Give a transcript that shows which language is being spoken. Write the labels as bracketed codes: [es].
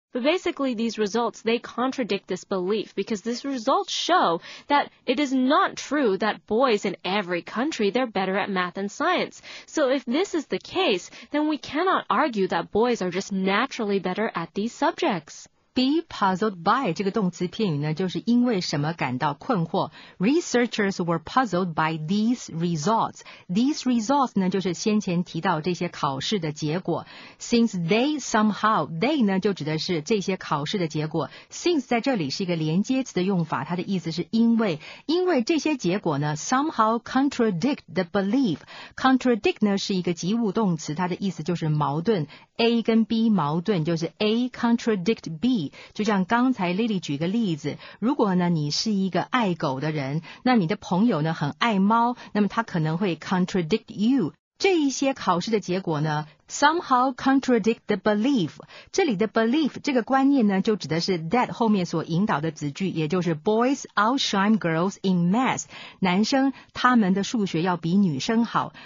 [en] But basically these results, they contradict this belief, because these results show that it is not true that boys in every country, they're better at math and science. So if this is the case, then we cannot argue that boys are just naturally better at these subjects. Be puzzled by [zh] 这个动词片语呢就是因为什么感到困惑。 [en] Researchers were puzzled by these results. These results [zh] 呢就是先前提到这些考试的结果。 [en] Since they somehow, [zh] they 呢就指的是这些考试的结果。 Since 在这里是一个连接词的用法它的意思是因为这些结果呢 [en] somehow contradict the belief. [zh] Contradict 呢是一个及物动词它的意思就是矛盾。 A 跟 B 矛盾就是 [en] A contradict B。 [zh] 就像刚才 Lily 举个例子，如果呢你是一个爱狗的人，那你的朋友呢很爱猫，那么他可能会 [en] contradict you。 [zh] 这一些考试的结果呢 [en] somehow contradict the belief， [zh] 这里的 belief 这个观念呢就指的是 that 后面所引导的子句，也就是 [en] boys outshine girls in math， [zh] 男生他们的数学要比女生好。